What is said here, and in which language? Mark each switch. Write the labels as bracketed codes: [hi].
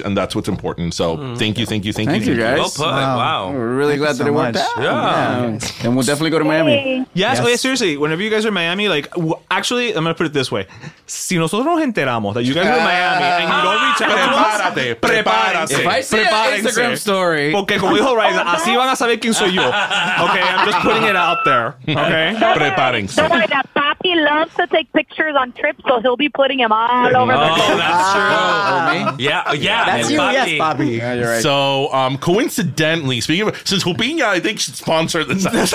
[en] And that's what's important. So thank you, guys. Well put. Wow. Really glad that it worked out. Yeah. And we'll definitely go to Miami. Yes. Oh, yeah, seriously. Whenever you guys are in Miami, like, actually, I'm going to put it this way. [es] Si nosotros nos enteramos [en] that you guys are in Miami and you don't reach out to us, [es] prepárate. [en] If I see an Instagram story. [es] Porque como dijo Ryza, así van a saber quién soy yo. [en] Okay, I'm just putting it out there. Okay? [es] Prepárense. [en] Don't worry, that papi loves to take pictures on trips, so he'll be putting him all over the place. Oh, that's true. Yeah. That's you, yes, papi. Yeah, you're right. So, coincidentally, speaking of, since jupinha, I think should sponsor this.